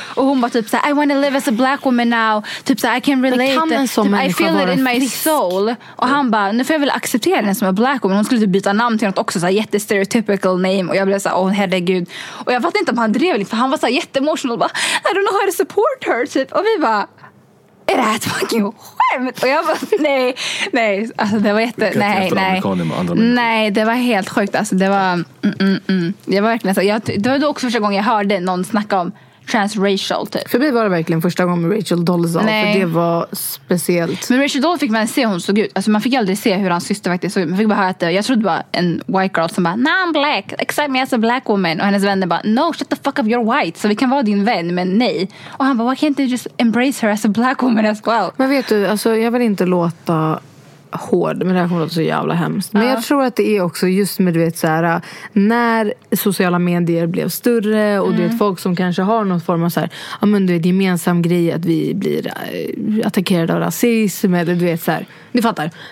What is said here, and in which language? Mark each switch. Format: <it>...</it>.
<sv>Och hon bara typ så här,</sv> <en>I want to live as a black woman now.</en> <sv>Typ så här,</sv> <en>I can relate.</en> <sv>Kan</sv> <en>I feel it in my soul.</en> <sv>Och han bara, nu får jag väl acceptera den som är</sv> <en>black woman.</en> <sv>Hon skulle typ byta namn till något också, så här jättestereotypical name. Och jag blev så här, åh herregud. Och jag fattade inte om han drev lite, för han var så här jätteemotional. Och bara,</sv> <en>I don't know how to support her</en> <sv>typ. Och vi bara, är det här ett</sv> <en>fucking</en> <sv>skämt? Och jag bara, nej. Alltså det var jätte, nej. Nej, det var helt sjukt. Alltså det var, jag var verkligen så här, det var då också första gången jag hörde någon snacka om transracial typ. För mig var det verkligen första gången Rachel Dolezal, för det var speciellt. Men Rachel Dolezal fick man se hon såg ut. Alltså man fick aldrig se hur hans syster faktiskt såg ut. Man fick bara höra att jag trodde bara en</sv> <en>white girl</en> <sv>som bara,</sv> <en>nah, I'm black, accept me as a black woman.</en> <sv>Och hennes vänner bara,</sv> <en>no, shut the fuck up, you're white,</en> <sv>så vi kan vara din vän, men nej. Och han bara,</sv> <en>why can't you just embrace her as a black woman as well?</en> <sv>Men vet du, alltså jag vill inte låta hård, men det här kommer att låta så jävla hemskt. Men jag tror att det är också just med, du vet, så här, när sociala medier blev större och du vet, folk som kanske har någon form av så här, ja, men du vet, gemensam grej att vi blir attackerade av rasism eller du vet så här, ni fattar.</sv>